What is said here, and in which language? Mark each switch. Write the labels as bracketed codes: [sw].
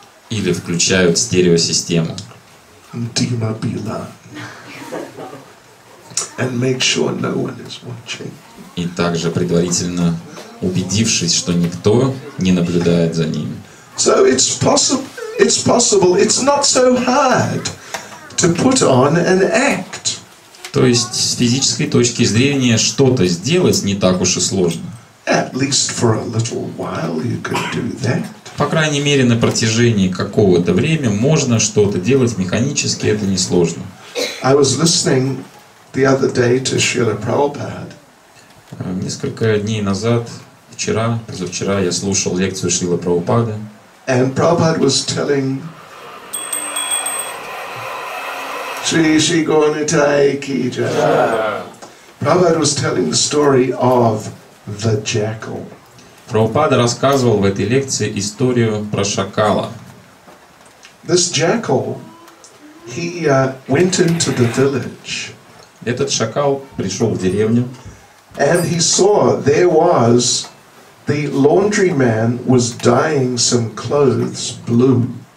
[ru] Или включают стереосистему. Demobila. [en] And make sure no one is watching. [ru] И также предварительно убедившись, что никто не наблюдает за ним. [en] So it's possible. It's possible. It's not so hard to put on an act. [ru] То есть с физической точки зрения что-то сделать не так уж и сложно. [en] At least for a little while you could do that. [ru] По крайней мере, на протяжении какого-то времени можно что-то делать механически, это не сложно. [en] I was listening the other day to Srila Prabhupada. [ru] Несколько дней назад, позавчера я слушал лекцию Шрилы Прабхупады. [en] And Prabhupada was telling Shri Shri Gaunitai Ki Jai. Prabhupada was telling the story of the jackal. [ru] Prabhupada рассказывал в этой лекции историю про шакала. [en] This jackal, he went into the village. [ru] Этот шакал пришел в деревню. [en] And he saw there was the laundryman was dyeing some clothes blue.